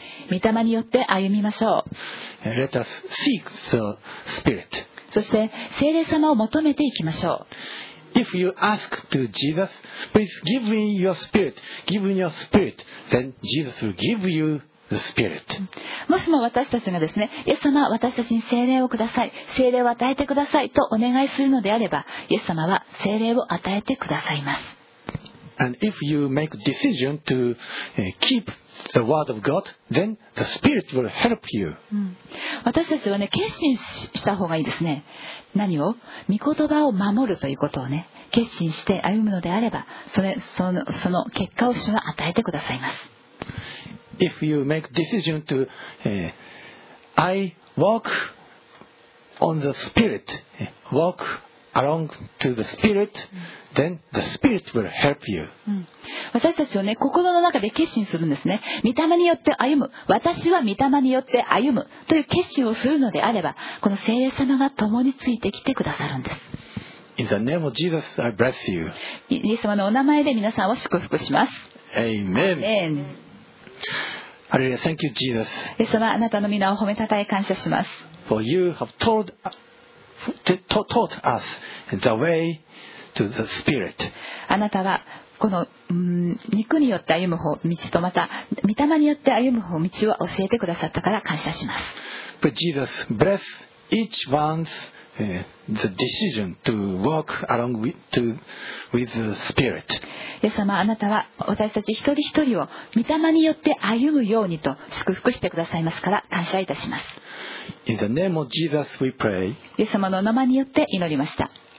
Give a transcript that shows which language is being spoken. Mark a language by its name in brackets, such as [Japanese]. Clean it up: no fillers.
[Japanese] 御霊によって歩みましょう。 [English] Let us seek the Spirit. [Japanese] そして聖霊様を求めていきましょう。 [English] If you ask to Jesus, please give me your Spirit, give me your Spirit, then Jesus will give you the Spirit. [Japanese] もしも私たちがですね、イエス様、私たちに聖霊をください、聖霊を与えてくださいとお願いするのであれば、イエス様は聖霊を与えてくださいます。 [English] And if you make a decision to keep the word of God, then the Spirit will help you. [Japanese] 私たちはね、決心した方がいいですね。何を？御言葉を守るということをね、決心して歩むのであれば、その結果を主が与えてくださいます。 [English] If you make a decision to I walk on the Spirit, walk along to the Spirit, then the Spirit will help you. [Japanese] 私たちをね、心の中で決心するんですね。御霊によって歩む、私は御霊によって歩むという決心をするのであれば、この聖霊様が共についてきてくださるんです。 [English] In the name of Jesus, I bless you. [Japanese] イエス様のお名前で皆さんを祝福します。 [English] Amen. Amen. Hallelujah. Thank you, Jesus. [Japanese] イエス様、あなたの皆を褒めたたえ感謝します。 [English] For you have told usTaught us the way to the Spirit. [Japanese] あなたはこの肉によって歩む方道と、また御霊によって歩む方道を教えてくださったから感謝します。 [English] But Jesus bless each one's the decision to walk along with the Spirit. [Japanese] イエス様、あなたは私たち一人一人を御霊によって歩むようにと祝福してくださいますから感謝いたします。 [English] In the name of Jesus we pray. [Japanese] イエス様の名前によって祈りました。